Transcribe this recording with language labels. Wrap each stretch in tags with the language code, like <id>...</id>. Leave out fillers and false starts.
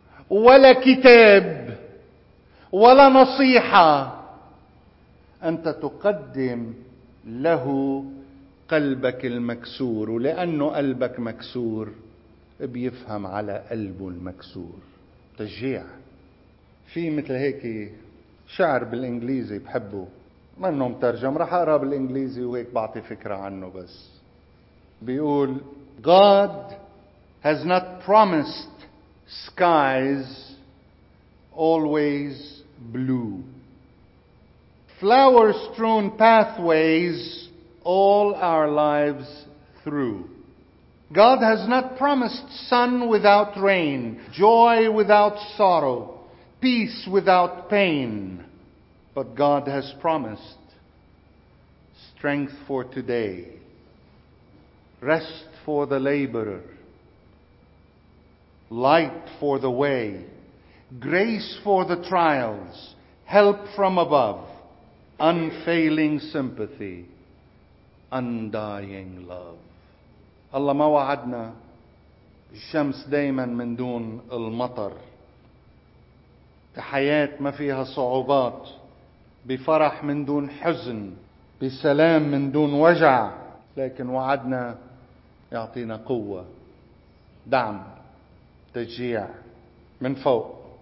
<ar>ولا كتاب ولا نصيحة، أنت تقدم له قلبك المكسور، ولأنه قلبك مكسور بيفهم على قلبه المكسور. تشجيع. في مثل هيك شعر بالإنجليزي بحبه، ما إنه مترجم، رح أقرأ بالإنجليزي وهيك بعطي فكرة عنه. بس بيقول</ar> <en>God has not promised skies always blue. flower-strewn pathways all our lives through. God has not promised sun without rain, joy without sorrow, peace without pain. But God has promised strength for today, rest for the laborer, light for the way, grace for the trials, help from above, unfailing sympathy, undying love.</en> <ar>الله ما وعدنا الشمس دايما من دون المطر. بحياة ما فيها صعوبات. بفرح من دون حزن. بسلام من دون وجع. لكن وعدنا يعطينا قوة. دعم. تشجيع. من فوق.</ar>